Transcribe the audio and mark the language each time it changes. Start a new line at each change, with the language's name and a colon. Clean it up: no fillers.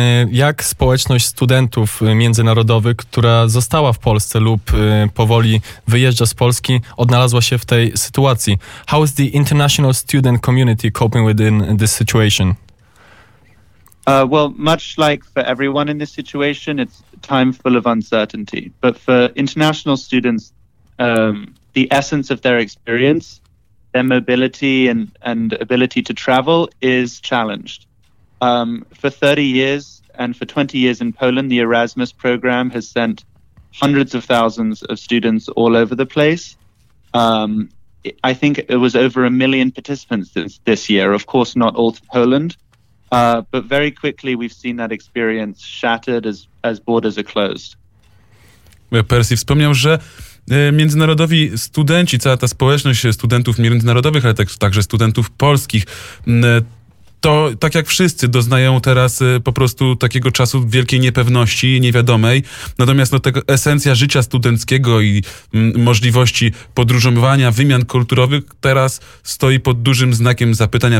Polish: Jak społeczność studentów międzynarodowych, która została w Polsce lub powoli wyjeżdża z Polski, odnalazła się w tej sytuacji?
English: How is the international student community coping within this situation? Well, much like for everyone in this situation, it's time full of uncertainty. But for international students, the essence of their experience, their mobility and ability to travel is challenged. For 30 years and for 20 years in Poland, the Erasmus program has sent hundreds of thousands of students all over the place. I think it was over 1 million participants this year, of course, not all to Poland. But very quickly we've seen that experience shattered as borders are closed.
Polish: Percy wspomniał, że międzynarodowi studenci, cała ta społeczność studentów międzynarodowych, ale także studentów polskich, to tak jak wszyscy doznają teraz po prostu takiego czasu wielkiej niepewności, niewiadomej. Natomiast no, tego esencja życia studenckiego i możliwości podróżowania, wymian kulturowych teraz stoi pod dużym znakiem zapytania.